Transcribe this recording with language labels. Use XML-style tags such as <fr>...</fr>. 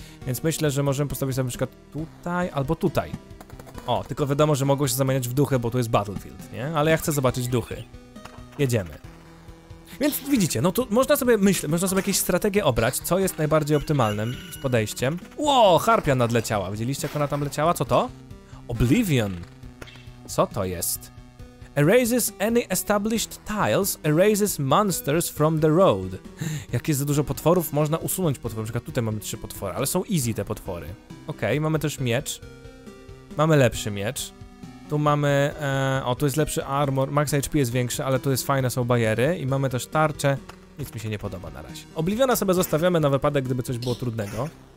<pl>Więc myślę, że możemy postawić sobie na przykład tutaj albo tutaj. O, tylko wiadomo, że mogło się zamieniać w duchy, bo tu jest Battlefield, nie? Ale ja chcę zobaczyć duchy. Jedziemy. Więc widzicie, no tu można sobie myśleć, można sobie jakieś strategie obrać, co jest najbardziej optymalnym z podejściem. Ło, harpia nadleciała. Widzieliście, jak ona tam leciała? Co to? Oblivion. Co to jest?</pl> <en>Erases any established tiles, erases monsters from the road.</en> <pl>Jak jest za dużo potworów, można usunąć potwory. Na przykład tutaj mamy 3 potwory, ale są easy te potwory. Okej, mamy też miecz. Mamy lepszy miecz. Tu mamy, tu jest lepszy armor, max HP jest większy, ale tu jest fajne, są bajery i mamy też tarcze. Nic mi się nie podoba na razie. Obliwiona sobie zostawiamy na wypadek, gdyby coś było trudnego.</pl>